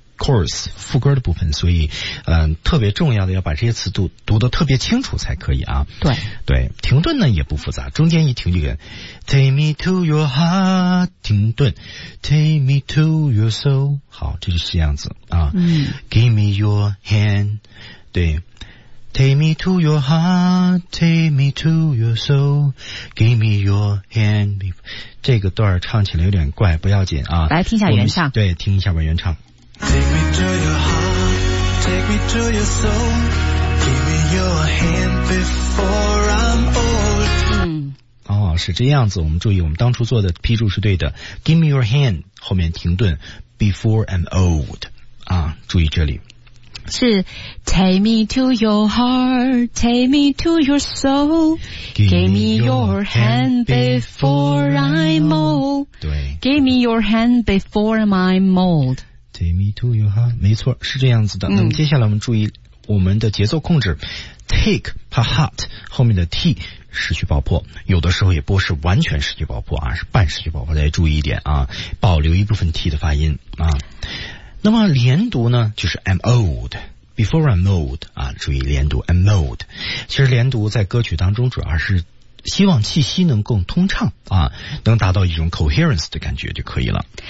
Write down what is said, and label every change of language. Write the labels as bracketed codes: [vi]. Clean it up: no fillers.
[zh] chorus 副歌的部分，所以特别重要的要把这些词读得特别清楚才可以啊。对对，停顿呢也不复杂，中间一停就跟 [en] Take me to your heart [zh] 停顿 [en] Take me to your soul [zh] 好，这就是这样子啊。 [en] Give me your hand [zh] 对 [en] Take me to your heart, take me to your soul, give me your hand. [zh] 这个段唱起来有点怪，不要紧啊。来听一下原唱。对，听一下吧，原唱。 [en] Take me to your heart, take me to your soul, give me your hand before I'm old. [zh] 哦，是这样子，我们注意，我们当初做的批注是对的。 [en] Give me your hand, [zh] 后面停顿 [en] before I'm old. [zh] 啊，注意这里。是 [en] Take me to your heart, take me to your soul, give me your hand before I'm old. [zh] 对 [en] ，Give me your hand before I'm old. Take me to your heart. [zh] 没错，是这样子的。那么接下来我们注意我们的节奏控制 ， [en] Take a heart [zh] 后面的 T 失去爆破，有的时候也不是完全失去爆破啊，是半失去爆破，大家注意一点啊，保留一部分 T 的发音啊。那么连读呢，就是 [en] I'm old, before I'm old, [zh] 啊，注意连读 [en] I'm old。 [zh] 其实连读在歌曲当中主要是希望气息能更通畅啊，能达到一种 coherence 的感觉就可以了。